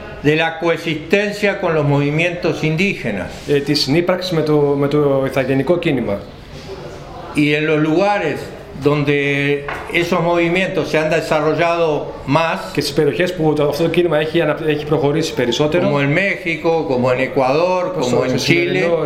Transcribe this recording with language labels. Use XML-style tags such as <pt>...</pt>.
<es>de la coexistencia con los movimientos indígenas.</es> <el>Τη συνύπαρξη με το ηθαγενικό κίνημα.</el> <es>Y en los lugares donde esos movimientos se han desarrollado más,</es> <el>que στις περιοχές που αυτό το κίνημα έχει προχωρήσει περισσότερο,</el> <es>como en México, como en Ecuador, como en Chile,</es>